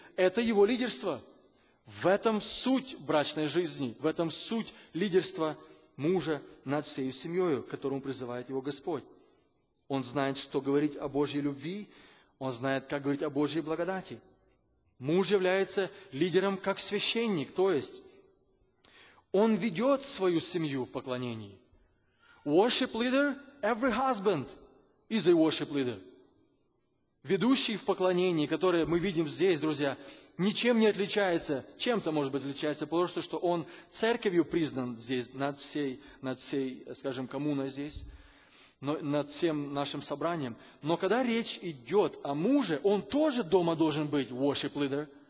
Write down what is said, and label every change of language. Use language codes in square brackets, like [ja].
[ru] Это его лидерство. В этом суть брачной жизни, в этом суть лидерства мужа над всей семьей, к которому призывает его Господь. Он знает, что говорить о Божьей любви, он знает, как говорить о Божьей благодати. Муж является лидером как священник, то есть он ведет свою семью в поклонении. [en] Worship leader, every husband is a worship leader. [ru] Ведущий в поклонении, который мы видим здесь, друзья, ничем не отличается, чем-то может быть отличается, потому что он церковью признан здесь, над всей, скажем, коммуной здесь, но над всем нашим собранием. Но когда речь идет о муже, он тоже дома должен быть [en] worship leader.